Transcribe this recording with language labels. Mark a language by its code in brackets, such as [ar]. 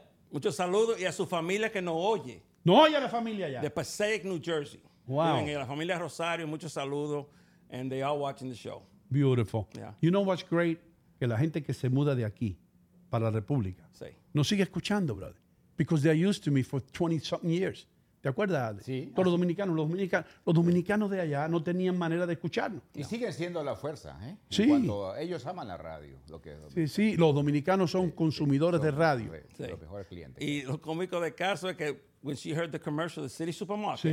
[es] Muchos saludos. Y a su familia que nos oye. No oye a la familia allá. De Passaic, New Jersey. [en] Wow. [es] Y a la familia Rosario, muchos saludos. [en] And they are watching the show. Beautiful. Yeah. You know what's great? [es] Que la gente que se muda de aquí para la República nos sigue escuchando, brother. [en] Because they're used to me for 20-something years. [es] ¿Te acuerdas, Ale? Sí. Con los dominicanos de allá no tenían manera de escucharnos. Y siguen siendo la fuerza, Sí. Cuando ellos aman la radio. Lo que sí, sí. Los dominicanos son consumidores de radio. Los mejores clientes. Y lo cómico de caso es que [en] when she heard the commercial [es] de City Supermarket,